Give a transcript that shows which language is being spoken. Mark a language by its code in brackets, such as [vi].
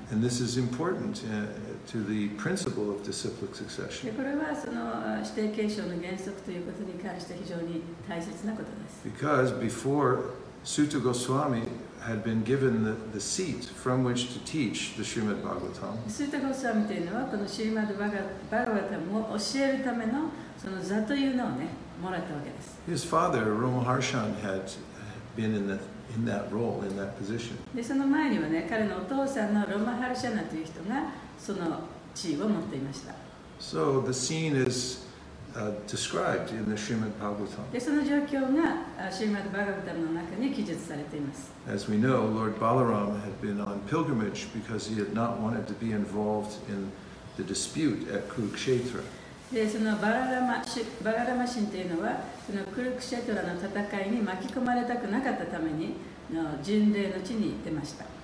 [en] And this is important to the principle of disciplic succession. [ja] これはその指定継承の原則ということに関して非常に大切なことです。 [en] Because before Sutta Goswami had been given the seat from which to teach the Srimad Bhagavatam. [ja] Sutta Goswami というのはこのシュリマド・バガヴァタムを教えるためのその座というのをねもらったわけです。 [en] His father, Ramaharshan, had been in that role, in that position. [ja] で、その前にはね、彼のお父さんのロマハルシャナという人がその地位を持っていました。 [en] So the scene is described in the Srimad Bhagavatam. [ja] で、その状況が、Srimad Bhagavatam の中に記述されています。 [en] As we know, Lord Balaram had been on pilgrimage because he had not wanted to be involved in the dispute at Kurukshetra. [ja] で、そのバララマ神というのは、そのクルクシェトラの戦いに巻き込まれたくなかったために、の巡礼の地に行ってました。